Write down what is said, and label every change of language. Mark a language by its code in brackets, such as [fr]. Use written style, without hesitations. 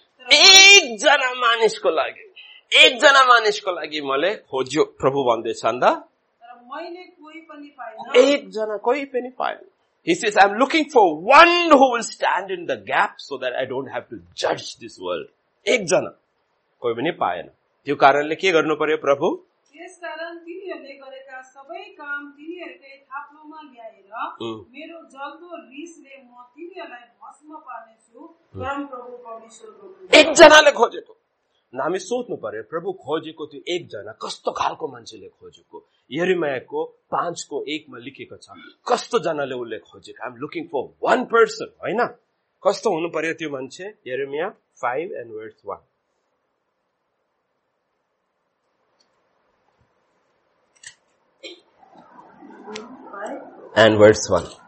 [ne] एकजना मानिसको लागि, एकजना मानिसको लागि मैले खोज्यो प्रभु भन्दैछ, अन्त मैले कोही पनि पाइन, एकजना कोही पनि पाइन। [en] He says, I'm looking for one who will stand in the gap so that I don't have to judge this world. [ne] एकजना कोही पनि पाएन, त्यो कारणले के गर्नु पर्यो प्रभु, यस कारण तिनीहरूले गरेका सबै काम तिनीहरूकै थाप्लोमा ल्याएर मेरो जल्दो रिसले म तिनीहरूलाई भस्म पार्नेछु, परम प्रभु परमेश्वरको। एकजनाले खोजेको, हामी सोच्नु पर्यो प्रभु खोजेको त्यो एकजना कस्तो खालको मान्छेले खोजेको, यरिमायाको 5:1 लेखेको छ कस्तो जनाले उसले खोजेको, [en] I am looking for one person, [ne] होइन कस्तो हुनु पर्यो त्यो मान्छे, यरिमिया 5:1 and verse 1